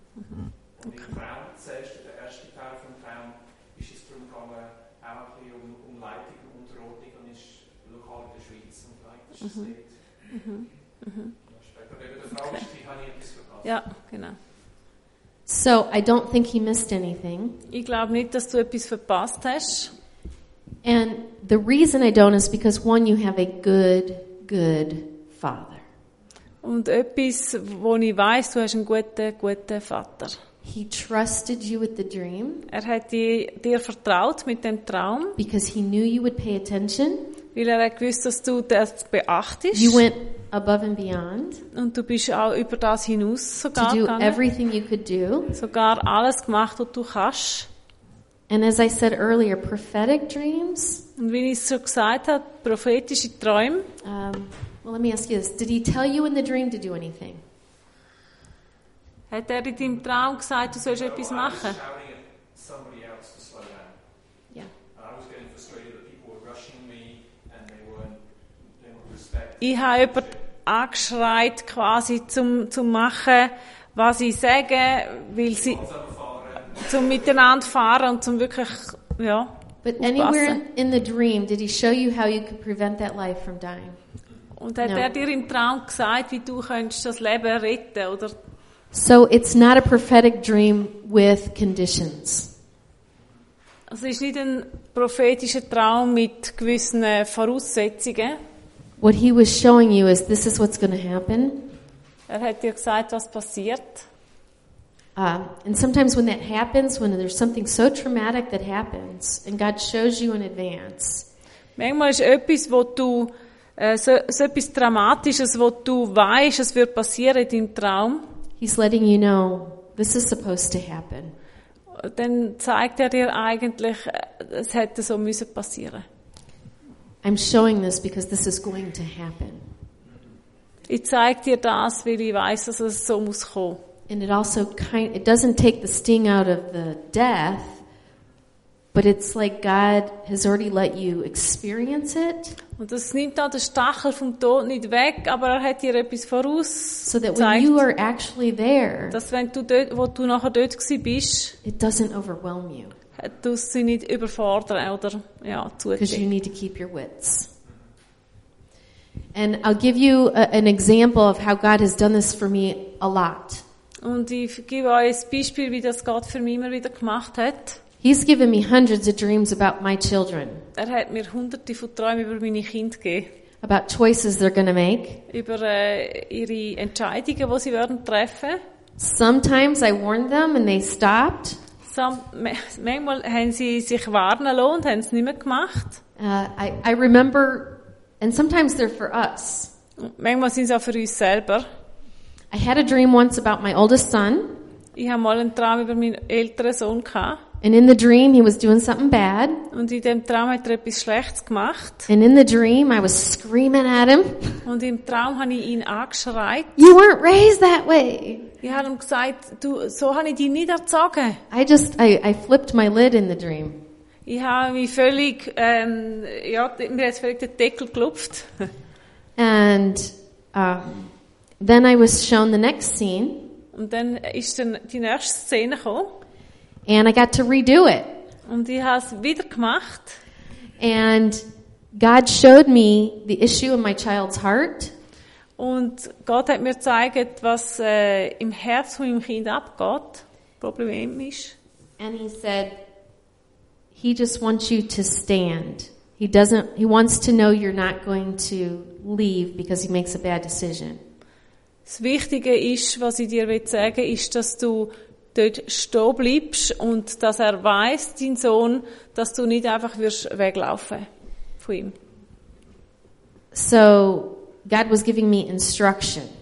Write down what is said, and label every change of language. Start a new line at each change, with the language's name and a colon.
German: Und okay. Im Traum, zuerst der erste Teil vom Traum, ist es darum gegangen, auch ein bisschen um Leitung und Unterordnung, und ist lokal in der Schweiz und vielleicht ist es nicht. Später eben der Frau, okay. Die habe ich etwas verpasst. Ja, genau.
English: So, I don't think he missed anything.
German: Ich glaube nicht, dass du etwas verpasst hast.
English: And the reason I don't is because, one, you have a good, good father.
German: Und etwas, wo ich weiss, du hast einen guten Vater.
English: He trusted you with the dream.
German: Er hat dir vertraut mit dem Traum.
English: Because he knew you would pay attention.
German: Weil er gewusst, dass du das beachtest.
English: You went above and beyond.
German: Und du bist auch über das hinaus sogar
English: to do
German: gegangen.
English: Everything you could do.
German: Sogar alles gemacht, was du kannst.
English: And as I said earlier, prophetic dreams.
German: Und wie ich so gesagt habe, prophetische Träume.
English: Well, let me ask you this. Did he tell you in the dream to do anything?
German: Hat er in deinem Traum gesagt, du sollst etwas machen?
English: I was shouting at somebody else to slow down. Yeah. And I was getting frustrated that people were rushing me and they weren't respecting.
German: Ich habe jemanden angeschreit, quasi zum machen, was ich sage, weil sie zum miteinander fahren und zum wirklich, ja.
English: But anywhere in the dream, did he show you how you could prevent that life from dying?
German: Und hat er dir im Traum gesagt, wie du könntest das Leben retten, oder?
English: So it's not a prophetic dream with conditions.
German: Also ist nicht ein prophetischer Traum mit gewissen Voraussetzungen.
English: What he was showing you is, this is what's going to happen.
German: Er hat dir gesagt, was passiert.
English: And sometimes when that happens, when there's something so traumatic that happens, and God shows you in advance.
German: Manchmal ist etwas, wo du so etwas Dramatisches, wo du weißt, es wird passieren in deinem Traum.
English: He's letting you know, this is supposed to happen.
German: Dann zeigt er dir eigentlich, es hätte so müssen passieren.
English: I'm showing this because this is going to happen.
German: Ich zeig dir das, weil ich weiß, dass es so muss kommen.
English: And it also it doesn't take the sting out of the death. But it's like God has already let you experience it.
German: Und das nimmt auch den Stachel vom Tod nicht weg, aber er hat dir etwas voraus.
English: So that when you are actually there,
German: dass wenn du dort, wo du nachher dort gewesen bist,
English: it doesn't overwhelm you.
German: Du sie nicht überfordern oder ja, zu dich.
English: Because you need to keep your wits. And I'll give you an example of how God has done this for me a lot.
German: Und ich gebe euch ein Beispiel, wie das Gott für mich immer wieder gemacht hat.
English: He's given me hundreds of dreams about my children.
German: Er hat mir hunderte von Träumen über meine Kinder gegeben.
English: About choices they're going to make.
German: Über ihre Entscheidungen, die sie werden treffen.
English: Sometimes I warned them and they stopped.
German: Manchmal haben sie sich warnen lassen und haben es nicht mehr gemacht.
English: I remember, and sometimes they're for us.
German: Manchmal sind sie auch für uns selber.
English: I had a dream once about my oldest son.
German: Ich habe mal einen Traum über meinen älteren Sohn gehabt.
English: And in the dream, he was doing something bad.
German: Und in dem Traum hat er etwas Schlechtes gemacht.
English: And in the dream, I was screaming at him.
German: Und im Traum habe ich ihn angeschreit.
English: You weren't raised that way.
German: Ich habe ihm gesagt, du, so habe ich dich nicht erzogen.
English: I flipped my lid in the dream.
German: Ich habe mich völlig, mir hat völlig den Deckel gelupft.
English: And then I was shown the next scene.
German: Und dann ist dann die nächste Szene gekommen.
English: And I got to redo it.
German: Und ich habe es wieder gemacht.
English: And God showed me the issue in my child's heart.
German: Und Gott hat mir gezeigt, was im Herz von dem Kind abgeht, Problem ist.
English: And he said, he just wants you to stand. He wants to know you're not going to leave because he makes a bad decision.
German: Das Wichtige ist, was ich dir will sagen, ist, dass du dort stehen bleibst und dass er weiss, dein Sohn, dass du nicht einfach wirst weglaufen von ihm.
English: So, God was giving me instruction.